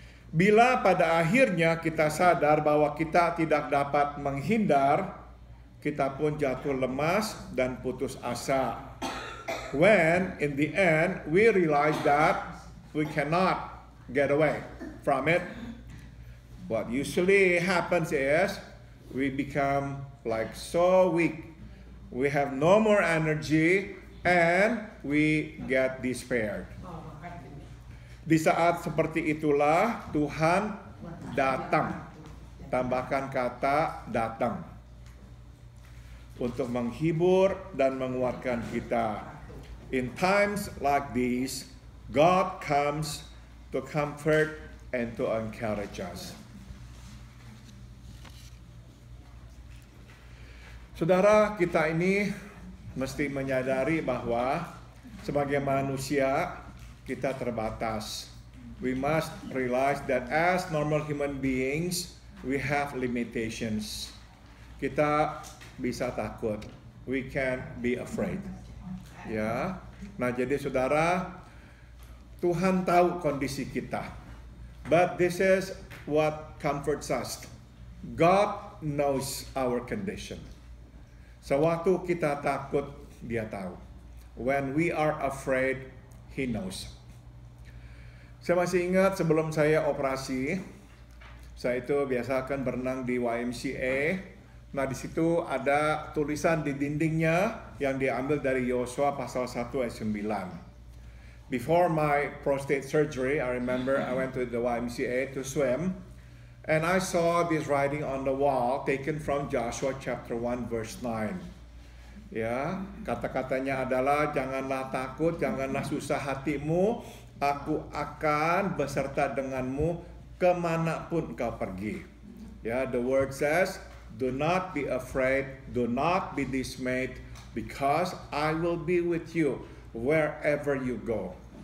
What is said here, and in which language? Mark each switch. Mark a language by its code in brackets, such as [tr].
[id] Bila pada akhirnya kita sadar bahwa kita tidak dapat menghindar, kita pun jatuh lemas dan putus asa. [en] When in the end we realize that we cannot get away from it, what usually happens is we become like so weak, we have no more energy, and we get despaired. [id] Di saat seperti itulah Tuhan datang, tambahkan kata datang, untuk menghibur dan menguatkan kita. [en] In times like these, God comes to comfort and to encourage us. [id] Saudara, kita ini mesti menyadari bahwa sebagai manusia kita terbatas. [en] We must realize that as normal human beings, we have limitations. [id] Kita bisa takut. [en] We can be afraid. [id] Ya. Nah, jadi saudara, Tuhan tahu kondisi kita. [en] But this is what comforts us. God knows our condition. [id] Sewaktu kita takut, Dia tahu. [en] When we are afraid, He knows. [id] Saya masih ingat sebelum saya operasi, saya itu biasa kan berenang di YMCA. Nah, di situ ada tulisan di dindingnya yang diambil dari Yosua pasal 1 ayat 9. [en] Before my prostate surgery, I remember I went to the YMCA to swim, and I saw this writing on the wall taken from Joshua chapter 1 verse 9. [id] Ya, kata-katanya adalah janganlah takut, janganlah susah hatimu, Aku akan beserta denganmu kemanapun kau pergi. [en] Ya, the word says, do not be afraid, do not be dismayed, because I will be with you wherever you go.